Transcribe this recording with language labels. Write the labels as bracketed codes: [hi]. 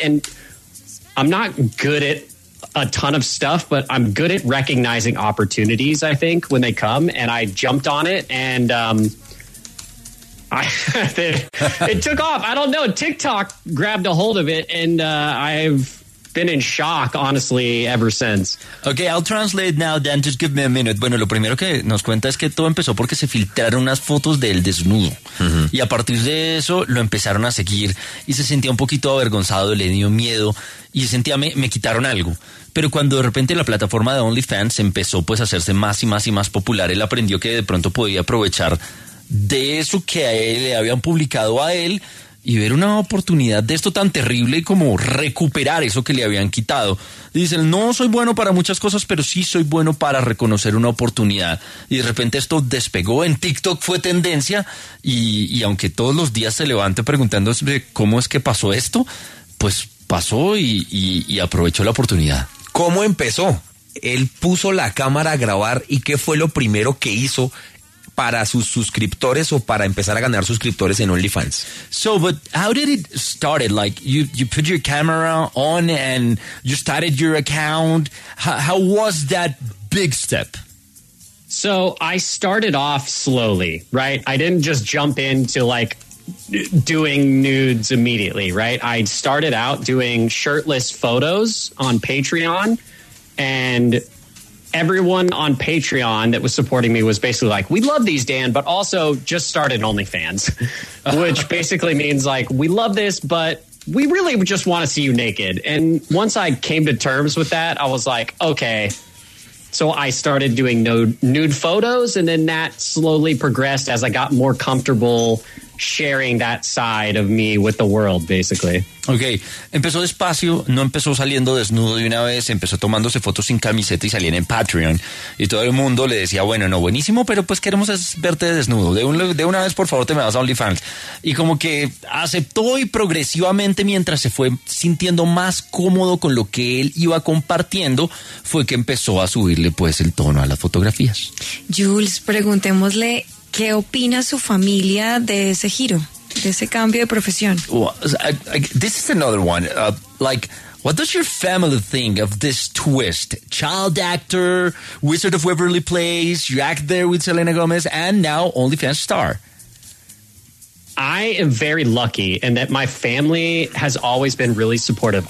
[en] And I'm not good at a ton of stuff, but I'm good at recognizing opportunities, I think, when they come. And I jumped on it, and it took off. I don't know, TikTok grabbed a hold of it, and I've been in shock, honestly, ever since. Okay, I'll translate now, Dan, just give me a minute. [es] Bueno, lo primero que nos cuenta es que todo empezó porque se filtraron unas fotos del desnudo. Uh-huh. Y a partir de eso, lo empezaron a seguir. Y se sentía un poquito avergonzado, le dio miedo. Y sentía, me quitaron algo. Pero cuando de repente la plataforma de OnlyFans empezó pues a hacerse más y más y más popular, él aprendió que de pronto podía aprovechar de eso que a él le habían publicado a él, y ver una oportunidad de esto tan terrible y como recuperar eso que le habían quitado. Dice, no soy bueno para muchas cosas, pero sí soy bueno para reconocer una oportunidad. Y de repente esto despegó, en TikTok fue tendencia, y aunque todos los días se levante preguntándose cómo es que pasó esto, pues pasó y aprovechó la oportunidad. ¿Cómo empezó? Él puso la cámara a grabar, ¿y qué fue lo primero que hizo para sus suscriptores o para empezar a ganar suscriptores en OnlyFans? [en] So, but how did it start? Like, you put your camera on and you started your account. How was that big step? So, I started off slowly, right? I didn't just jump into, like, doing nudes immediately, right? I started out doing shirtless photos on Patreon, and everyone on Patreon that was supporting me was basically like, we love these, Dan, but also just started OnlyFans, which basically means like, we love this, but we really just want to see you naked. And once I came to terms with that, I was like, okay, So I started doing nude photos, and then that slowly progressed as I got more comfortable sharing that side of me with the world, basically. Okay. [es] Empezó despacio, no empezó saliendo desnudo de una vez, empezó tomándose fotos sin camiseta y saliendo en Patreon. Y todo el mundo le decía, bueno, no, buenísimo, pero pues queremos verte desnudo. De una vez, por favor, te me vas a OnlyFans. Y como que aceptó y progresivamente, mientras se fue sintiendo más cómodo con lo que él iba compartiendo, fue que empezó a subirle pues el tono a las fotografías. Jules, preguntémosle, ¿qué opina su familia de ese giro, de ese cambio de profesión? [en] This is another one. What does your family think of this twist? Child actor, Wizard of Waverly Place, you act there with Selena Gomez, and now OnlyFans star. I am very lucky in that my family has always been really supportive.